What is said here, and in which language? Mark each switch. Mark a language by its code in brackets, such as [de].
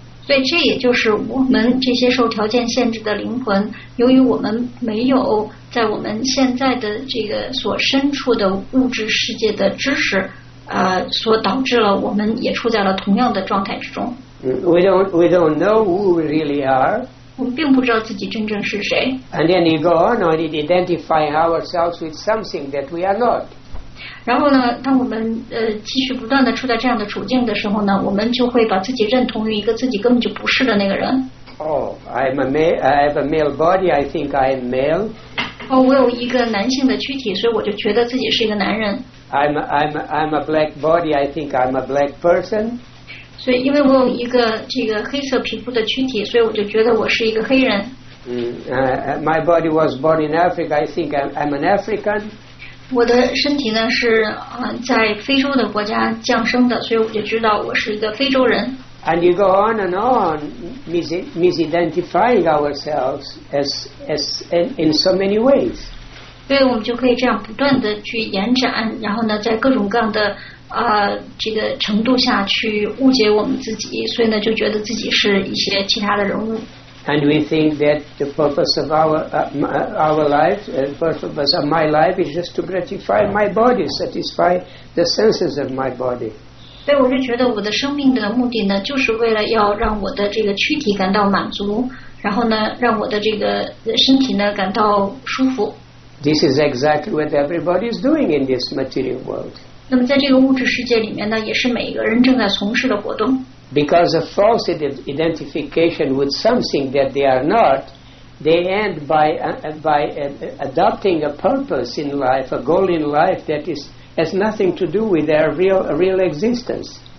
[zh] 所以这也就是我们这些受条件限制的灵魂，由于我们没有在我们现在的这个所身处的物质世界的知识所导致了我们也处在了同样的状态之中。 [en] We don't know who we really are. [zh] 我们并不知道自己真正是谁。 [en] And then we go on and identify ourselves with something that we are not. [zh] 然后呢，当我们继续不断地处在这样的处境的时候呢，我们就会把自己认同于一个自己根本就不是的那个人。 [en] I have a male body, I think I am male. [zh] 我有一个男性的躯体，所以我就觉得自己是一个男人。 [en] I'm a black body, I think I'm a black person. [zh] 所以因为我有一个这个黑色皮肤的躯体，所以我就觉得我是一个黑人。 [en] My body was born in Africa, I think I'm an African. [zh] 我的身体呢是在非洲的国家降生的，所以我就知道我是一个非洲人。 [en] And you go on and on misidentifying ourselves in so many ways. [zh] 对，我们就可以这样不断的去延展，然后呢，在各种各样的这个程度下去误解我们自己，所以呢，就觉得自己是一些其他的人物。 [en] And we think that the purpose of my life is just to gratify my body, satisfy the senses of my body. [zh] 所以我是觉得我的生命的目的呢，就是为了要让我的这个躯体感到满足，然后呢，让我的这个身体呢感到舒服。 [en] This is exactly what everybody is doing in this material world. [zh] 那么在这个物质世界里面呢，也是每一个人正在从事的活动。 [en] Because of false identification with something that they are not, they end by adopting a purpose in life, a goal in life that is. Has nothing to do with their real existence.